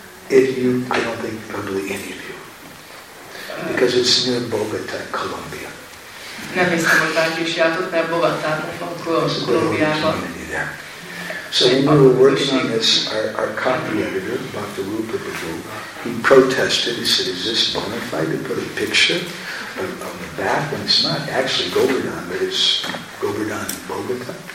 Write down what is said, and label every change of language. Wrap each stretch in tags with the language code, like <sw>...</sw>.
<en>I don't think probably any of you, because it's near Bogota, Colombia.</en> <hu>Nem hiszem, hogy bárki is jártott, mert Bogotában, Colombiában.</hu> <en>So we were working on this. Our copy editor, Bhakta Rupa Prabhu, he protested. He said, "Is this bona fide to put a picture on the back when it's not actually Govardhan, but it's Govardhan in Bogota?"</en>